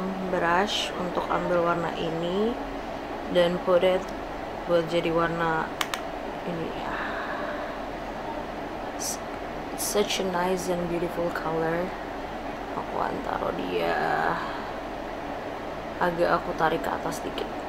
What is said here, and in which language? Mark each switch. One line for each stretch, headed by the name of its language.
Indonesian: Brush untuk ambil warna ini dan
English: put it
Indonesian: buat jadi warna ini.
English: Such a nice and beautiful color.
Indonesian: Aku akan taruh dia agak aku tarik ke atas dikit.